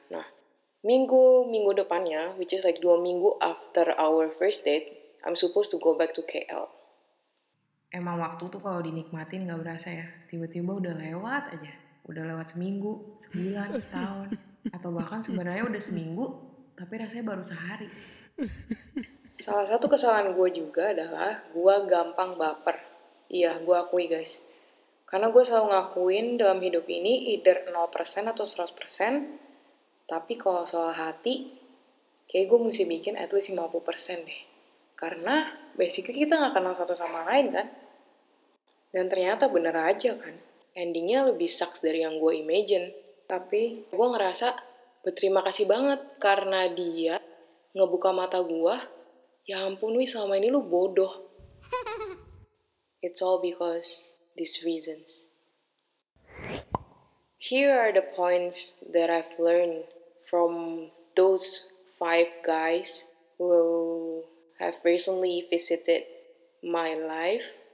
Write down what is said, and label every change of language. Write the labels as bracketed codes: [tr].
[id] Nah, minggu depannya, [en] which is like 2 minggu after our first date, I'm supposed to go back to KL. [id] Emang waktu tuh kalau dinikmatin gak berasa ya, tiba-tiba udah lewat aja. Udah lewat seminggu, sebulan, setahun, atau bahkan sebenarnya udah seminggu, tapi rasanya baru sehari. Salah satu kesalahan gue juga adalah gue gampang baper. Iya, gue akui guys. Karena gue selalu ngakuin dalam hidup ini either 0% atau 100%. Tapi kalau soal hati, kayak gue mesti bikin at least 50% deh. Karena basically kita gak kenal satu sama lain kan. Dan ternyata bener aja kan. Endingnya lebih sucks dari yang gue imagine. Tapi gue ngerasa berterima kasih banget karena dia ngebuka mata gue. Ya ampun Wi, selama ini lu bodoh. [en] It's all because these reasons. Here are the points that I've learned from those 5 guys who have recently visited my life.